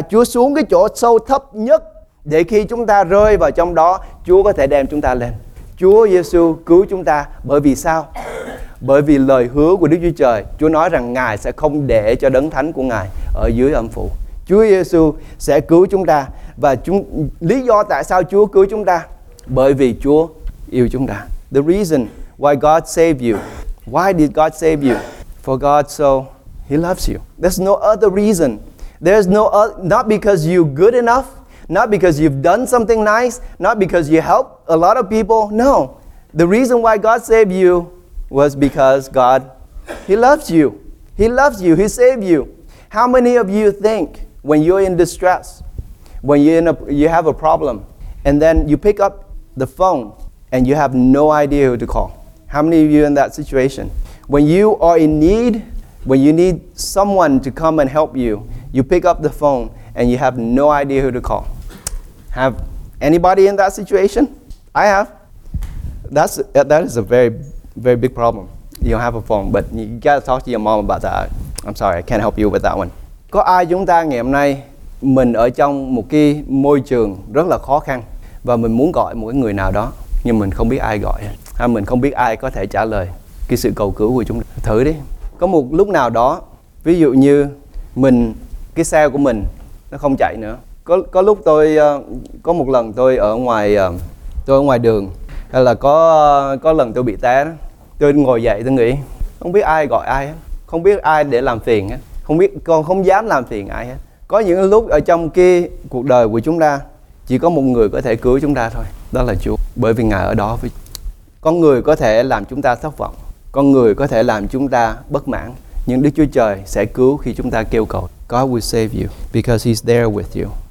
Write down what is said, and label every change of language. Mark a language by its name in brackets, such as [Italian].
[Vietnamese] Chúa xuống cái chỗ sâu thấp nhất để khi chúng ta rơi vào trong đó, Chúa có thể đem chúng ta lên. Chúa Giê-xu cứu chúng ta. Bởi vì sao? Bởi vì lời hứa của Đức Chúa Trời, Chúa nói rằng Ngài sẽ không để cho đấng thánh của Ngài ở dưới âm phủ. Chúa Giê-xu sẽ cứu chúng ta. Và lý do tại sao Chúa cứu chúng ta? Bởi vì Chúa yêu chúng ta. [English] The reason why God saved you. Why did God save you? For God so He loves you. There's no other reason. There's no not because you're good enough, not because you've done something nice, not because you help a lot of people. No. The reason why God saved you was because God, He loves you. He loves you. He saved you. How many of you think when you're in distress, when you're in a, you have a problem, and then you pick up the phone and you have no idea who to call? How many of you are in that situation? When you are in need, when you need someone to come and help you, you pick up the phone and you have no idea who to call. Have anybody in that situation? I have. That is a very, very big problem. You don't have a phone, but you gotta talk to your mom about that. I'm sorry, I can't help you with that one. [Vietnamese] Có ai chúng ta ngày hôm nay mình ở trong một cái môi trường rất là khó khăn và mình muốn gọi một người nào đó nhưng mình không biết ai gọi, hay mình không biết ai có thể trả lời cái sự cầu cứu của chúng ta? Thử đi. Có một lúc nào đó, ví dụ như mình, cái xe của mình nó không chạy nữa. Có lúc tôi, có một lần tôi ở ngoài, tôi ở ngoài đường, hay là có lần tôi bị té, tôi ngồi dậy tôi nghĩ không biết ai gọi ai, không biết ai để làm phiền, không biết, còn không dám làm phiền ai hết. Có những lúc ở trong cái cuộc đời của chúng ta chỉ có một người có thể cứu chúng ta thôi, đó là Chúa, bởi vì Ngài ở đó với. Con người có thể làm chúng ta thất vọng, con người có thể làm chúng ta bất mãn, nhưng Đức Chúa Trời sẽ cứu khi chúng ta kêu cầu. [English] God will save you because He's there with you.